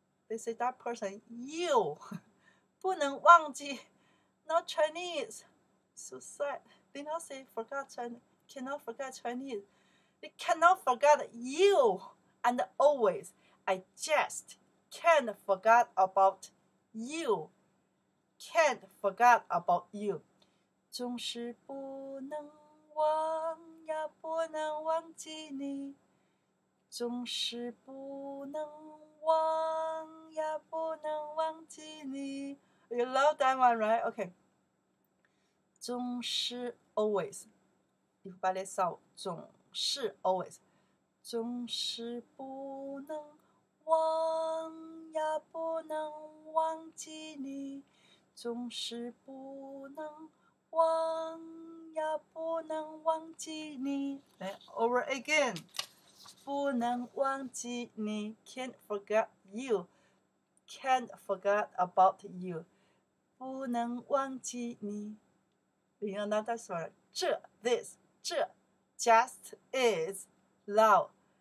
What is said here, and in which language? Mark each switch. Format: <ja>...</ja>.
<en>They say that person, you,</en> <zh>不能忘记</zh> <en>not Chinese, so sad. They not say forgot Chinese, cannot forget Chinese. They cannot forget you, and always, I just can't forget about you. Can't forget about you.</en> <zh>总是不能忘呀，不能忘记你，总是不能忘呀，不能忘记你。</zh> <en>You love that one, right? Okay. 总是 always. If by this song, 总是 always.</en> <zh>总是不能忘呀，不能忘记你。总是不能忘呀，不能忘记你。</zh> <en>Then over again.</en> <zh>不能忘记你</zh> <en>can't forget you, can't forget about you.</en> <zh>不能忘记你</zh> <en>you know not that sort. 这 this, 这 just is love.</en>